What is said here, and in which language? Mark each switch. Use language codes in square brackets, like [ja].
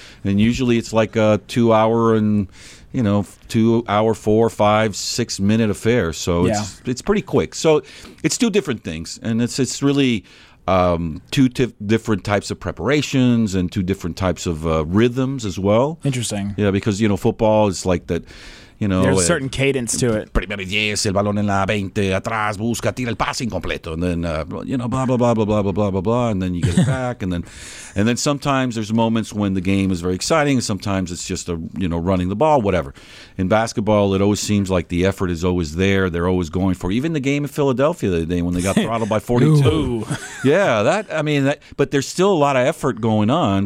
[en] And usually it's like a 2 hour and you know, 2 hour, 4, 5, 6 minute affair. So it's pretty quick. So it's two different things, and it's really two different types of preparations and two different types of rhythms as well. Interesting. Yeah, because you know, football is like that. You know, there's a certain cadence to it. [es] Primero 10, el balón en la 20, atrás, busca, tira el pase incompleto. [en] And then, you know, blah, blah, blah, blah, blah, blah, blah, blah, blah. And then you get it back. And then sometimes there's moments when the game is very exciting. Sometimes it's just, you know, running the ball, whatever. In basketball, it always seems like the effort is always there. They're always going for it. Even the game in Philadelphia the other day when they got throttled by 42. Yeah, but there's still a lot of effort going on.